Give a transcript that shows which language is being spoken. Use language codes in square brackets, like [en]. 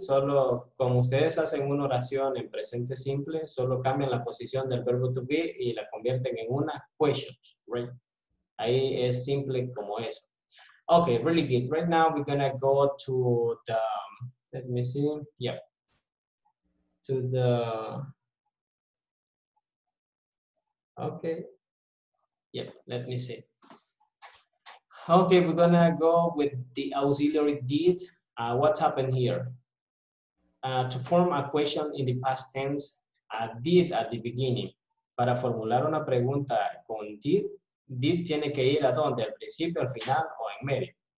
[es] Solo como ustedes hacen una oración en presente simple, solo cambian la posición del verbo to be y la convierten en una question, right? Ahí es simple como eso. [en] Okay, really good. Right now we're gonna go to the, let me see, yeah. To the, okay, yeah, let me see. Okay, we're gonna go with the auxiliary did. What's happened here? To form a question in the past tense, I did at the beginning. [es] Para formular una pregunta con did tiene que ir a donde, al principio, al final o en medio.